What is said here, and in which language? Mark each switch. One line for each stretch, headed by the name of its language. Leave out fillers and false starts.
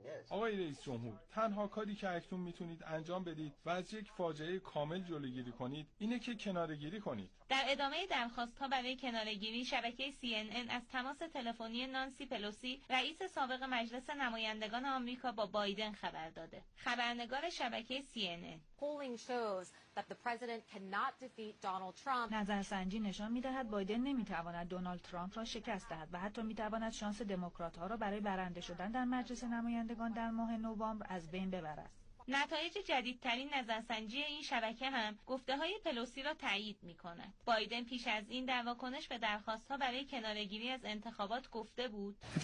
Persian: آقای رئیس جمهور، تنها کاری که اکنون میتونید انجام بدید و از یک فاجعه کامل جلوگیری کنید، اینه که کناره‌گیری کنید. در ادامه درخواست‌ها برای کناره‌گیری، شبکه CNN از تماس تلفنی نانسی پلوسی، رئیس سابق مجلس نمایندگان آمریکا، با بایدن خبر داده. خبرنگار شبکه
English: CNN: Polling shows that the president cannot defeat Donald Trump.
Persian: نظرسنجی نشان می‌دهد بایدن نمی‌تواند دونالد ترامپ را شکست دهد و حتی می‌تواند شانس دموکرات‌ها را برای برنده شدن در مجلس نمایندگان در ماه نوامبر از بین ببرد. نتایج جدیدترین نظرسنجی این شبکه هم گفته‌های پلوسی را تایید می‌کند. بایدن پیش از این در واکنش به درخواست‌ها برای کناره‌گیری از انتخابات گفته بود: